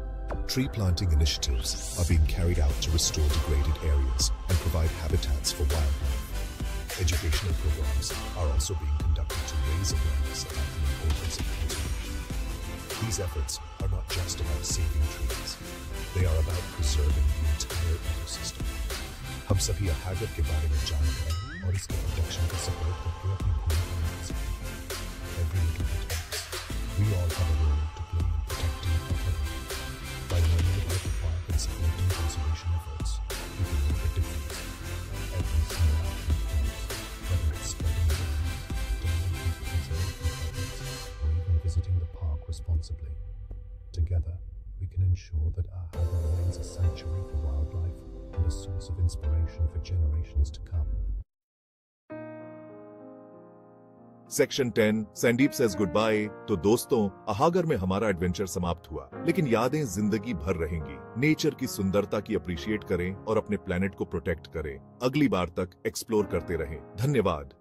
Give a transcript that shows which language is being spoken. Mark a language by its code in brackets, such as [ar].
[en] Tree planting initiatives are being carried out to restore degraded areas and provide habitats for wildlife. Educational programs are also being conducted to raise awareness about the importance of conservation. These efforts are not just about saving trees. They are about preserving the entire ecosystem. [hi] हम सभी अहागर के बारे में जानकर और इसके protection का support करके अपनी भूमिका निभा सकते हैं. [en] Every little bit helps. We all have a role to play in protecting the planet. By learning about the park and supporting conservation efforts, we can make a difference. Every single action counts, whether it's spreading the word, donating to preserve the environment, or even visiting the park responsibly. Together, we can ensure that Ahagar remains a sanctuary for wildlife and a source of inspiration for generations to come. [hi] Section 10, Sandeep says goodbye. तो दोस्तों, अहागर में हमारा adventure समाप्त हुआ, लेकिन यादें जिंदगी भर रहेंगी। नेचर की सुंदरता की अप्रिशिएट करें और अपने प्लेनेट को प्रोटेक्ट करें। अगली बार तक एक्सप्लोर करते रहें। धन्यवाद।